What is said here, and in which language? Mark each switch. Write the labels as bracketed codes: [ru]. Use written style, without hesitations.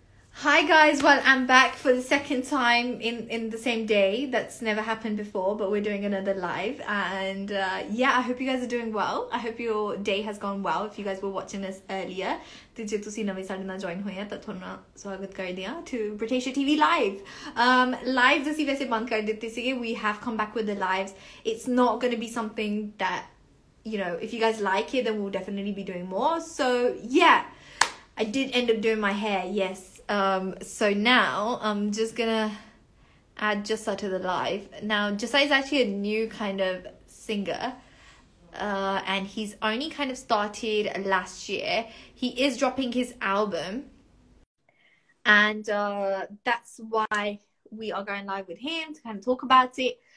[en] Hi guys, well I'm back for the second time in the same day. That's never happened before, but we're doing another live. And yeah, I hope you guys are doing well. I hope your day has gone well. If you guys were watching us earlier, [pa] ਤੇ ਜੇ ਤੁਸੀਂ ਨਵੇਂ ਸਾਡੇ ਨਾਲ join ਹੋਏ ਆ ਤਾਂ ਤੁਹਾਨੂੰ ਸਵਾਗਤ ਕਰਦੇ ਹਾਂ to British TV live live ਅਸੀਂ ਵੈਸੇ ਬੰਦ ਕਰ ਦਿੱਤੇ ਸੀਗੇ [en] We have come back with the live it's not going to be something that you know if you guys like it then we will definitely be doing more so yeah I did end up doing my hair yes so now I'm just gonna add Jassa to the live now Jassa is actually a new kind of singer and he's only kind of started last year. He is dropping his album, and that's why we are going live with him to kind of talk about it.